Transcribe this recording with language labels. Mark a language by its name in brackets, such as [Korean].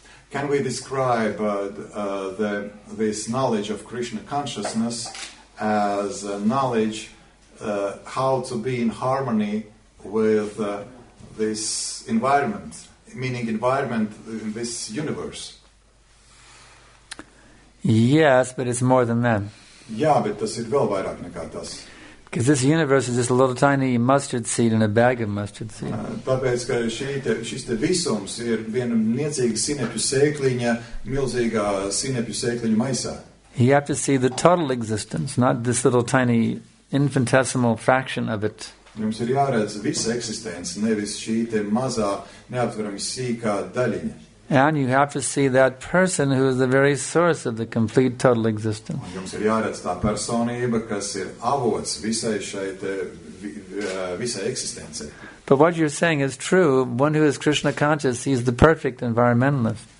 [English] Can we describe this knowledge of Krishna consciousness as a knowledge how to be in harmony with this environment, meaning environment in this universe? Yes, but it's more than that. [Latvian] Jā, bet tas ir vēl vairāk nekā tas. [English] Because this universe is just a little tiny mustard seed in a bag of mustard seed. [Latvian] Tāpēc, ka šis te visums ir viena niecīga sinepju sēkliņa, milzīgā sinepju sēkliņa maisā. [English] You have to see the total existence, not this little tiny infinitesimal fraction of it. [Latvian] Jums ir jāredz visa eksistence, nevis šī te mazā, neaptverami sīkā daļiņa. [English] And you have to see that person who is the very source of the complete total existence. [Latvian] Jums ir jāredz tā personība, kas ir avots visai šai te visai eksistencei. [English] But what you're saying is true, one who is Krishna conscious is the perfect environmentalist.